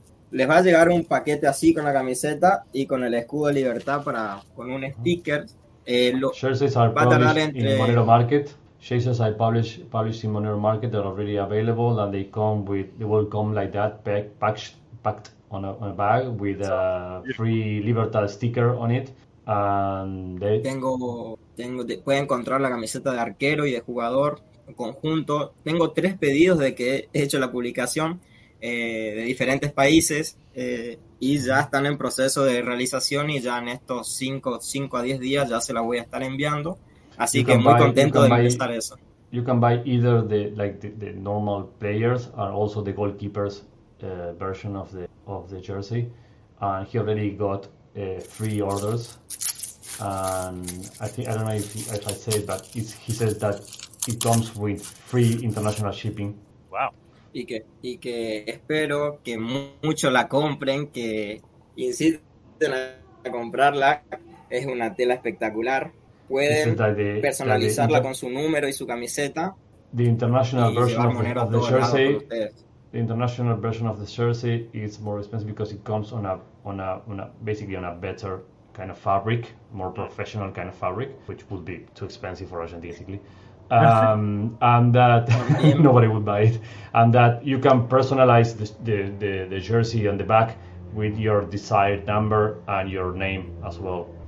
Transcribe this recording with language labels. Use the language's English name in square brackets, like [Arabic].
[Spanish] Les va a llegar un paquete así con la camiseta y con el escudo de Libertad con un sticker. [English] Jerseys are published in Monero Market. Jerseys I published in Monero Market that are already available, and they will come like that, packed on a bag with a free Libertad sticker on it. [Spanish] Puede encontrar la camiseta de arquero y de jugador en conjunto. Tengo tres pedidos de que he hecho la publicación de diferentes países y ya están en proceso de realización, y ya en estos 5 a 10 días ya se la voy a estar enviando. Así que muy contento de estar eso. [English] You can buy either the normal players or also the goalkeepers version of the jersey. And he already got free orders. And I don't know if I said, but he says that it comes with free international shipping. Wow. [Spanish] Y que espero que mucho la compren, que inciten a comprarla. Es una tela espectacular. Pueden personalizarla con su número y su camiseta. [English] The international version of the jersey. The international version of the jersey is more expensive because it comes on a better kind of fabric, more professional kind of fabric, which would be too expensive for Argentina, basically. And that nobody would buy it. And that you can personalize the jersey on the back with your desired number and your name as well.